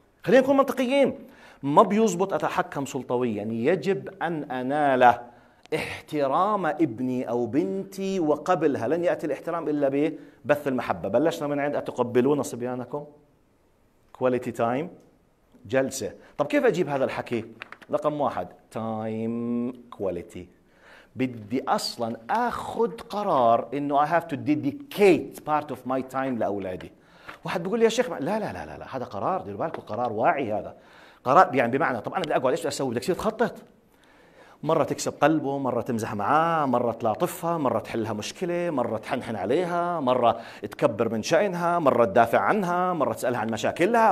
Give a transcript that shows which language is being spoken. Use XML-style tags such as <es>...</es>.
<ar>خلينا نكون منطقيين، ما بيزبط أتحكم سلطويا، يجب أن أنال احترام ابني أو بنتي، وقبلها لن يأتي الاحترام إلا ببث المحبة. بلشنا من عند أتقبلون صبيانكم، quality time، جلسة. طب كيف أجيب هذا الحكي؟ رقم 1 تايم كواليتي. بدي اصلا اخذ قرار انه</ar> <en>I have to dedicate part of my time</en> <ar>لاولادي. واحد بيقول لي يا شيخ لا لا لا لا، هذا قرار، دير بالك قرار واعي، هذا قرار يعني بمعنى طب انا بدي اقعد ايش اسوي، بدك تصير تخطط، مره تكسب قلبه، مره تمزح معاه، مره تلاطفها، مره تحلها مشكله، مره تحنحن عليها، مره تكبر من شأنها، مره تدافع عنها، مره تسالها عن مشاكلها.</ar>